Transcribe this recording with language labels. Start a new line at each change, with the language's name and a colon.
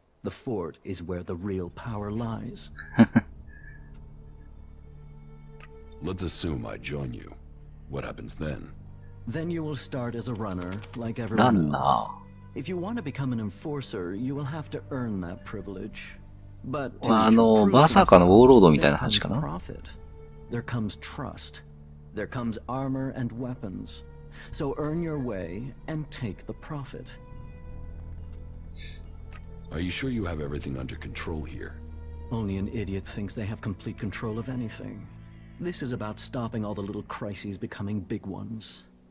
English: The fort is where the real power lies. Let's assume I join you. What happens then? Then you will start as a runner, like everyone else. If you want to become an enforcer, you will have to earn that privilege. But to
Japanese: まさかのウォーロードみたいな話かな。
English: There comes trust. There comes armor and weapons. So earn your way and take the profit. Are you sure you have everything under control here? Only an idiot thinks they have complete control of anything. This is about stopping all the little crises becoming big ones.